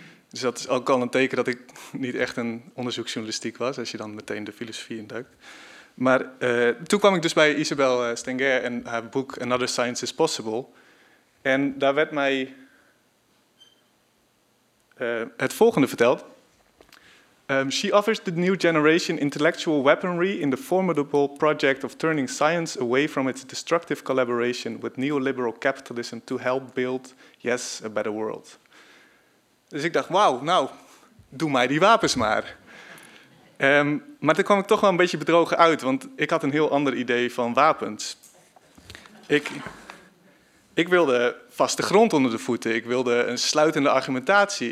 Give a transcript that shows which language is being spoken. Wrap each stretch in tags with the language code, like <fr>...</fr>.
<nl>Dus dat is ook al een teken dat ik niet echt een onderzoeksjournalistiek was, als je dan meteen de filosofie induikt. Maar toen kwam ik dus bij Isabel Stenger en haar boek Another Science is Possible. En daar werd mij het volgende vertelt.</nl> <en>She offers the new generation intellectual weaponry in the formidable project of turning science away from its destructive collaboration with neoliberal capitalism to help build, yes, a better world.</en> <nl>Dus ik dacht, wauw, nou, doe mij die wapens maar. Maar toen kwam ik toch wel een beetje bedrogen uit, want ik had een heel ander idee van wapens. Ik wilde vaste grond onder de voeten. Ik wilde een sluitende argumentatie.</nl>